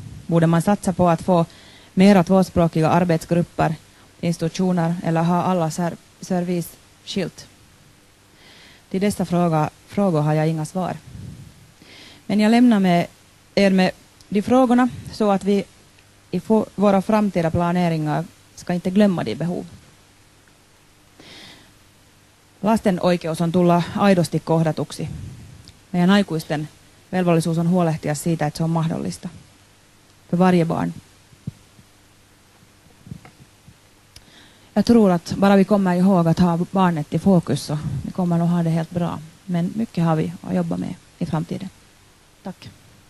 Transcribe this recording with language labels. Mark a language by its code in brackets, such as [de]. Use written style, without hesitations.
[sv] Borde man satsa på att få mera tvåspråkiga arbetsgrupper, institutioner eller ha alla serviceskilt? Till dessa frågor har jag inga svar. Men jag lämnar med er med de frågorna så att vi i våra framtida planeringar ska inte glömma de behov. [fi] Lasten oikeus on tulla aidosti kohdatuksi. Meidän aikuisten velvollisuus on huolehtia siitä, että se on mahdollista. [sv] För varje barn. Jag tror att bara vi kommer ihåg att ha barnet i fokus så vi kommer nog ha det helt bra. Men mycket har vi att jobba med i framtiden. Tack.